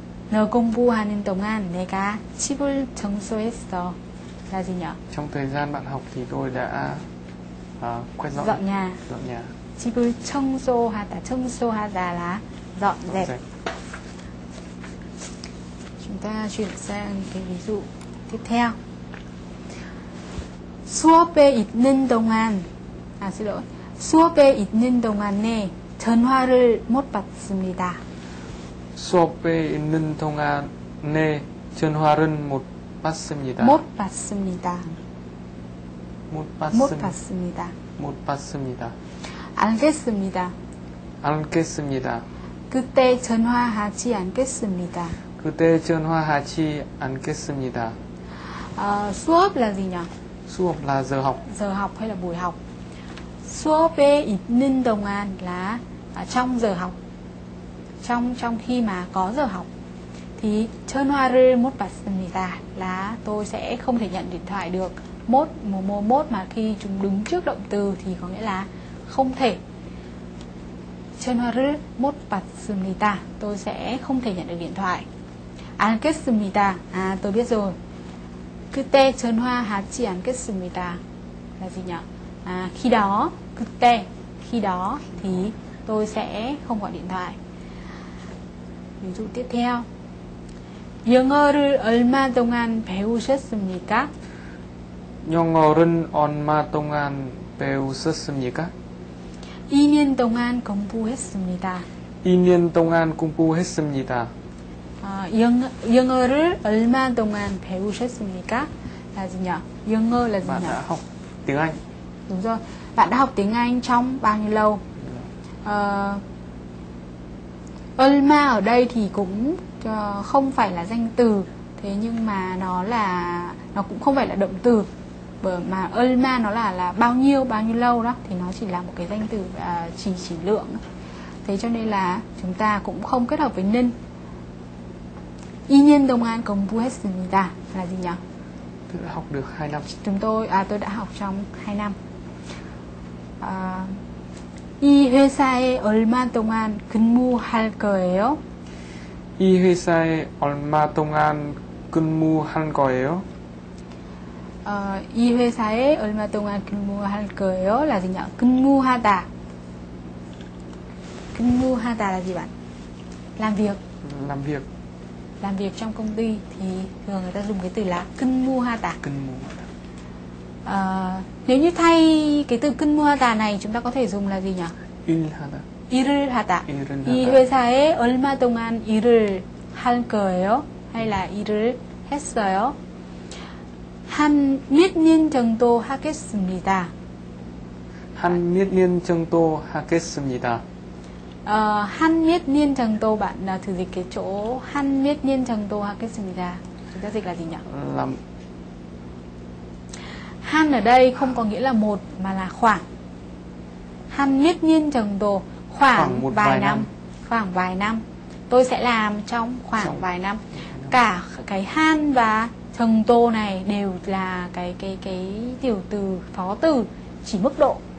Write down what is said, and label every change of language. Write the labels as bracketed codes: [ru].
[ko] 너 공부하는 동안 내가 집을 청소했어. [vi] Là gì nhỉ? Trong thời gian bạn học thì tôi đã quét dọn. Dọn nhà. Dọn nhà. [ko] 집을 청소하다. [vi] 청소하다 là dọn dẹp. Chúng ta chuyển sang cái ví dụ tiếp theo. [ko] 수업에 있는 동안, [vi] xin lỗi. [ko] 수업에 있는 동안에 전화를 못 받습니다. 수업에 있는 동안에 전화를 못 받습니다. 못 받습니다. 못 받습니다. 못 받습니다. 알겠습니다. 알겠습니다. 그때 전화하지 않겠습니다. 그때 전화하지 않겠습니다. [vi] 수업 là gì nhỉ? 수업 là giờ học. Giờ học hay là buổi học. 수업에 있는 동안 là trong giờ học. Trong khi mà có giờ học thì [ko] 전화를 못 받습니다 [vi] là tôi sẽ không thể nhận điện thoại được. 못 뭐뭐 못 mà khi chúng đứng trước động từ thì có nghĩa là không thể. [ko] 전화를 못 받습니다. [vi] Tôi sẽ không thể nhận được điện thoại. [ko] 알겠습니다. [vi] À, tôi biết rồi. [ko] 그때 전화 하지 않겠습니다. [vi] Là gì nhỉ? À, khi đó, 그때, khi đó thì tôi sẽ không gọi điện thoại. Ví dụ tiếp theo. [ko] 영어를 얼마 동안 배우셨습니까? 영어를 얼마 동안 배우셨습니까? 2년 동안 공부했습니다. 2년 동안 공부했습니다. 영어를 얼마 동안 배우셨습니까? [vi] Là gì nhỉ? 영어 là gì bạn Bạn đã học tiếng Anh. Đúng rồi. Bạn đã học tiếng Anh trong bao nhiêu lâu? 얼마 ở đây thì cũng không phải là danh từ, thế nhưng mà nó cũng không phải là động từ. Bởi mà 얼마 nó là bao nhiêu lâu đó, thì nó chỉ là một cái danh từ chỉ lượng. Thế cho nên là chúng ta cũng không kết hợp với nên. [ko] 2년 동안 공부했습니다. [vi] Là gì nhỉ? Tôi đã học được 2 năm. Tôi đã học trong 2 năm. [ko] 이 회사에 얼마 동안 근무할 거예요? 이 회사에 얼마 동안 근무할 거예요? 이 회사에 얼마 동안 근무할 거예요? [vi] Là gì nhỉ? 근무하다. 근무하다 là gì bạn? Làm việc. Làm việc. Làm việc trong công ty thì thường người ta dùng cái từ là 근무하다. [ko] 근무하다. [vi] Nếu như thay cái từ 근무하다 này chúng ta có thể dùng là gì nhỉ? [ko] 일하다. 일을 하다. 일을 하다. 이 회사에 얼마 동안 일을 할 거예요? [vi] Hay là [ko] 일을 했어요? 한 몇 년 정도 하겠습니다. 한 몇 년 정도 하겠습니다. [vi] 한 몇 년 정도 bạn là thử dịch cái chỗ [ko] 한 몇 년 정도 하겠습니다. [vi] Chúng ta dịch là gì nhỉ? Làm. 한 ở đây không có nghĩa là một mà là khoảng. [ko] 한 몇 년 정도 [vi] khoảng một vài năm. Khoảng vài năm. Tôi sẽ làm trong khoảng vài năm. Cả cái 한 và 정도 này đều là cái tiểu từ phó từ chỉ mức độ.